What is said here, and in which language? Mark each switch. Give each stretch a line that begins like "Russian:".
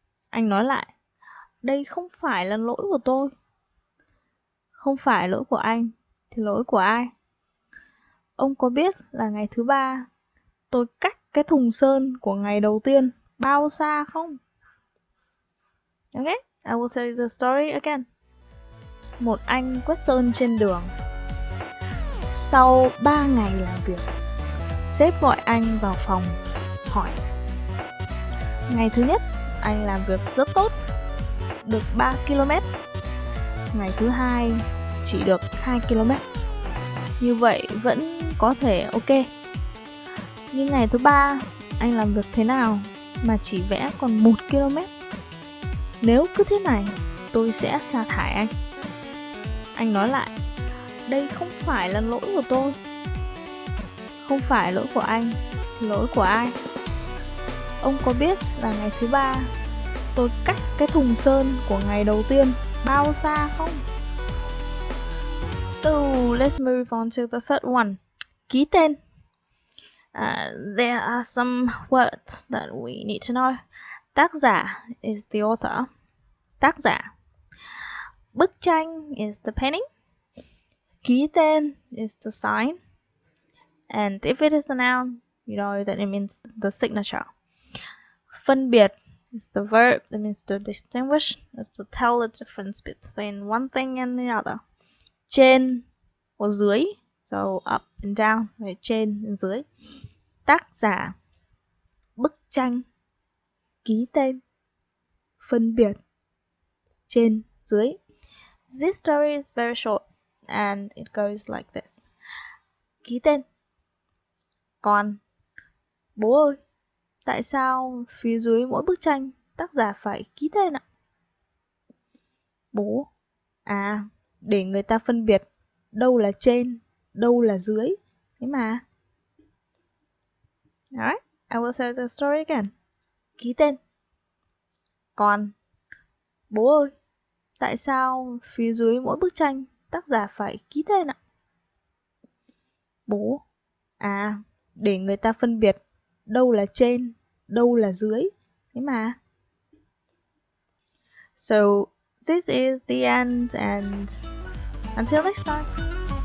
Vietnamese: Anh nói lại, đây không phải là lỗi của tôi. Không phải lỗi của anh, thì lỗi của ai? Ông có biết là ngày thứ ba, tôi cách cái thùng sơn của ngày đầu tiên bao xa không?
English: Okay, I will tell you the story again.
Vietnamese: Một anh quét sơn trên đường. Sau 3 ngày làm việc, sếp gọi anh vào phòng, hỏi. Ngày thứ nhất, anh làm việc rất tốt, được 3 km. Ngày thứ hai, chỉ được 2 km. Như vậy vẫn có thể ok. Nhưng ngày thứ ba, anh làm việc thế nào mà chỉ vẽ còn 1 km. Nếu cứ thế này, tôi sẽ sa thải anh. Anh nói lại, đây không phải là lỗi của tôi. Không phải lỗi của anh, lỗi của ai? Ông có biết là ngày thứ ba, tôi cắt cái thùng sơn của ngày đầu tiên bao xa không?
English: So, let's move on to the third one.
Vietnamese: Ký tên.
English: There are some words that we need to know. Tác giả is the author.
Vietnamese: Tác giả.
English: Bức tranh is the painting. Ký tên is the sign. And if it is the noun, you know that it means the signature.
Vietnamese: Phân biệt
English: is the verb that means to distinguish, to tell the difference between one thing and the other.
Vietnamese: Trên or dưới,
English: so up and down, right? Trên and dưới.
Vietnamese: Tác giả, bức tranh, ký tên, phân biệt, trên, dưới.
English: This story is very short and it goes like this.
Vietnamese: Ký tên. Con. Bố ơi, tại sao phía dưới mỗi bức tranh tác giả phải ký tên ạ? Bố. À, để người ta phân biệt đâu là trên, đâu là dưới. Thế mà.
English: Alright, I will say the story again.
Vietnamese: Ký tên. Con. Bố ơi, tại sao phía dưới mỗi bức tranh tác giả phải ký tên ạ? Bố. À, để người ta phân biệt đâu là trên, đâu là dưới. Thế mà.
English: So, this is the end and until next time.